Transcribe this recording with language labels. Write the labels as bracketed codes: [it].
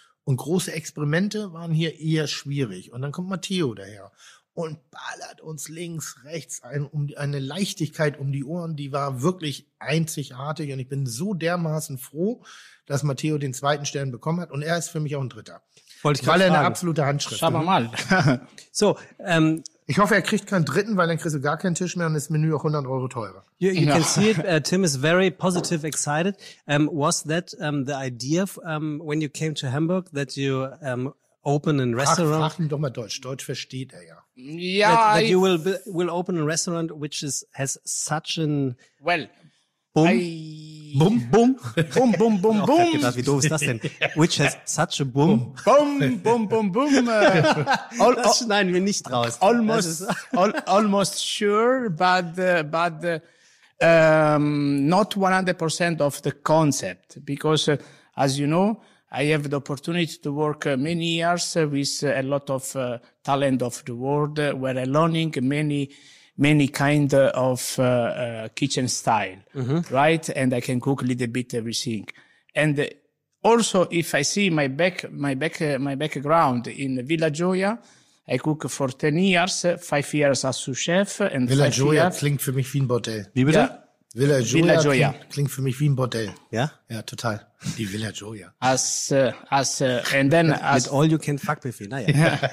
[de] Und große Experimente waren hier eher schwierig. Und dann kommt Matteo daher und ballert uns links, rechts eine Leichtigkeit um die Ohren, die war wirklich einzigartig. Und ich bin so dermaßen froh, dass Matteo den 2. Stern bekommen hat. Und er ist für mich auch ein 3. Wollte ich gerade sagen. Weil er eine absolute Handschrift. Schauen wir mal. So, ich hoffe, er kriegt keinen 3., weil dann kriegst du gar keinen Tisch mehr und das Menü auch 100 Euro teurer. [en] You can see it. Tim is very positive, excited. Was that the idea when you came to Hamburg, that you open a restaurant? [de] Sprach ihn doch mal Deutsch. Deutsch versteht er ja. [en] Yeah, that you will open a restaurant which is has such an well boom boom boom boom boom boom [de] boom. Wie doof ist das denn? [en] Which has such a boom boom boom boom boom. [de] Das schneiden wir nicht raus. [en] Almost sure, but not 100% of the concept, because as you know, I have the opportunity to work many years with a lot of talent of the world, where I'm learning many, many kind of kitchen style, right? And I can cook a little bit everything. And also, if I see my background in Villa Gioia, I cook for 10 years, 5 years as sous chef. And Villa five Gioia years. [de] Klingt für mich wie ein Bordell. Wie bitte? Ja. Villa Gioia. Klingt für mich wie ein Bordell. Ja? Ja, total. Die Villa Gioia. [en] And then with all you can fuck with it, naja.